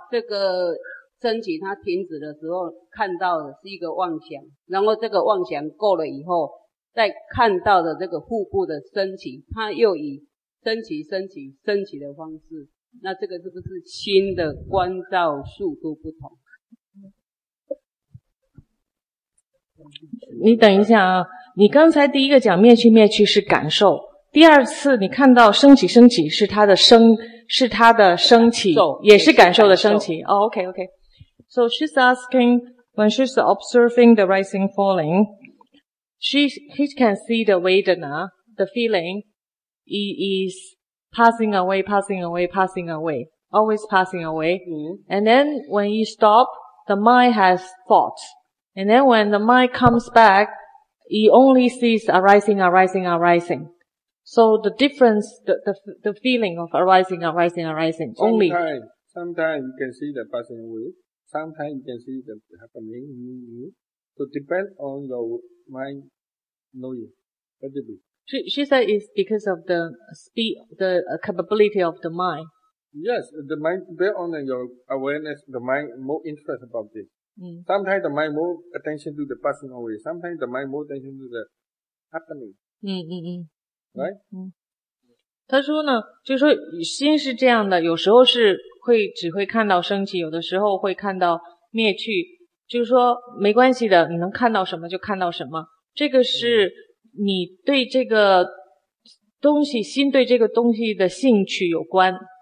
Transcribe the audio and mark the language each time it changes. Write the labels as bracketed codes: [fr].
[zh] 这个升起它停止的时候，看到的是一个妄想，然后这个妄想够了以后，在看到的这个腹部的升起，它又以升起的方式，那这个是不是心的观照速度不同？你等一下啊，你刚才第一个讲灭去是感受，第二次你看到升起是它的升起，也是感受的升起。哦、 [en] oh, ,OK,OK.、Okay, okay. So she's asking, when she's observing the rising falling,He can see the Vedana, the feeling, he is passing away, always passing away.、 Mm-hmm. And then when you stop, the mind has thoughts. And then when the mind comes back, he only sees arising. So the difference, the feeling of arising. Sometimes you can see the passing away. Sometimes you can see the happening. So depend on your mind. She said it's because of the speed, the capability of the mind. Yes, the mind, based on your awareness, the mind more interest about this.、 Mm. Sometimes the mind more attention to the passing away. Sometimes the mind more attention to the happening. Mm-hmm. Right? [zh] 他说呢，就说心是这样的，有时候是会只会看到升起，有的时候会看到灭去，就是说没关系的，你能看到什么就看到什么。这个是你对这个东西，心对这个东西的兴趣有关。